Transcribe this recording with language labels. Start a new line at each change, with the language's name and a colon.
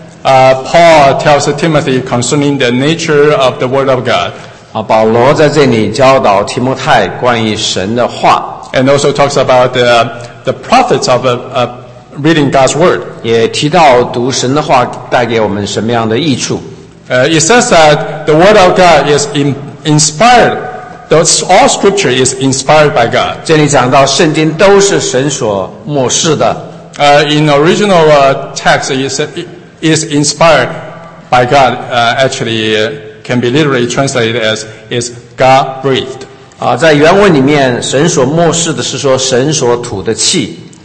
English: Paul tells Timothy concerning the nature of the word of God.
Chinese: 保罗在这里教导提摩太关于神的话。
English: And also talks about the prophets of reading God's word.
Chinese: 也提到读神的话带给我们什么样的益处。
English: It says that the word of God is inspired. All scripture is inspired by God.
Chinese: 这里讲到圣经都是神所默示的。
English: In the original text, it is inspired by God. Actually, can be literally translated as is God breathed.
Chinese: 在原文里面神所默示的是说神所吐的气。